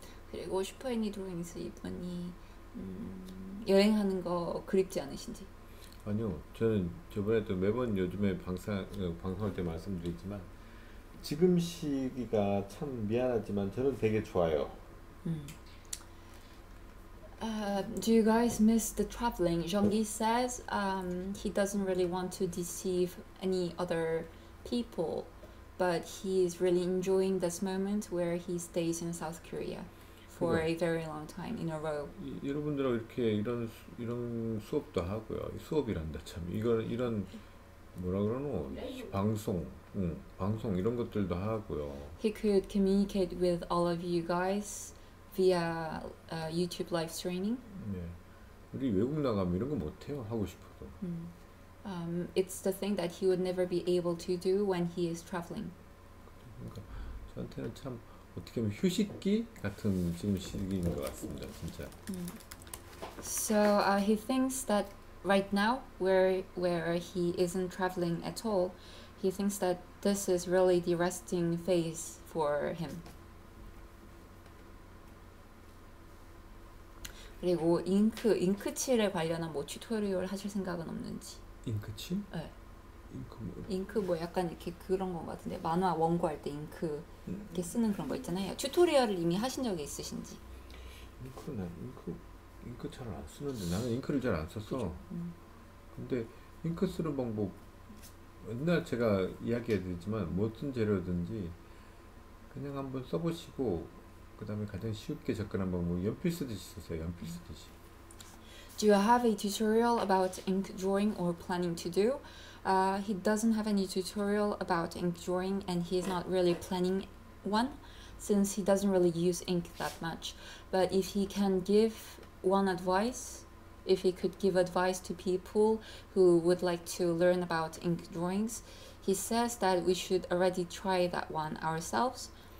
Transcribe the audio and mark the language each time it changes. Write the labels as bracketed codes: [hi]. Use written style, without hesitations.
[ko] 그리고 슈퍼애니 드로잉스 이분이 여행하는 거 그립지 않으신지? 아니요, 저는 저번에도 매번 요즘에 방송할 때 말씀드리지만 지금 시기가 참 미안하지만 저는 되게 좋아요. [en] Do you guys miss the traveling? Zhonggi says he doesn't really want to deceive any other people, but he is really enjoying this moment where he stays in South Korea for [ko] 그러니까, [en] a very long time in a row. [ko] 여러분들하고 이렇게 이런 수업도 하고요. 수업이란다 참. 이런 뭐라 그러노? 방송. 방송 이런 것들도 하고요. [en] He could communicate with all of you guys via YouTube live streaming. [ko] 네. 우리 외국 나가면 이런 거 못 해요. 하고 싶어도. [en] It's the thing that he would never be able to do when he is traveling. [ko] 그러니까 저한테는 참 어떻게 보면 휴식기 같은 지금 시기인 것 같습니다, 진짜. [en] So he thinks that right now, where he isn't traveling at all, he thinks that this is really the resting phase for him. [ko] 그리고 잉크칠에 관련한 뭐 튜토리얼 하실 생각은 없는지. 잉크칠? 네. 잉크 뭐 약간 이렇게 그런 것 같은데 만화 원고 할 때 잉크 이렇게 쓰는 그런 거 있잖아요. 튜토리얼을 이미 하신 적이 있으신지? 잉크 잘 안 쓰는데 나는 잉크를 잘 안 썼어. 근데 잉크 쓰는 방법 옛날 제가 이야기해 드리지만 무슨 재료든지 그냥 한번 써보시고 그다음에 가장 쉽게 접근한 방법 연필 쓰듯이 쓰세요. 연필 쓰듯이. [en] Do you have a tutorial about ink drawing or planning to do? He doesn't have any tutorial about ink drawing, and he's not really planning one since he doesn't really use ink that much. But if he can give one advice, if he could give advice to people who would like to learn about ink drawings, he says that we should already try that one ourselves.